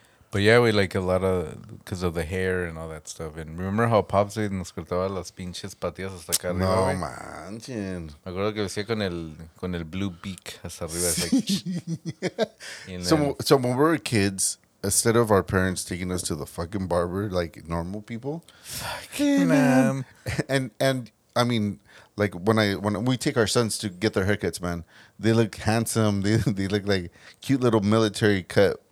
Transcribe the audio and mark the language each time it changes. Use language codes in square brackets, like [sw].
[en] But yeah, we like a lot of, because of the hair and all that stuff. And remember how Pops [es] nos cortaba las pinches patillas hasta acá arriba? No manches. Me acuerdo que decía con el blue beak hasta arriba. Sí. [en] Like, so when we were kids, instead of our parents taking us to the fucking barber like normal people. Fucking man. And I mean, like when we take our sons to get their haircuts, man, they look handsome. They look like cute little military cut.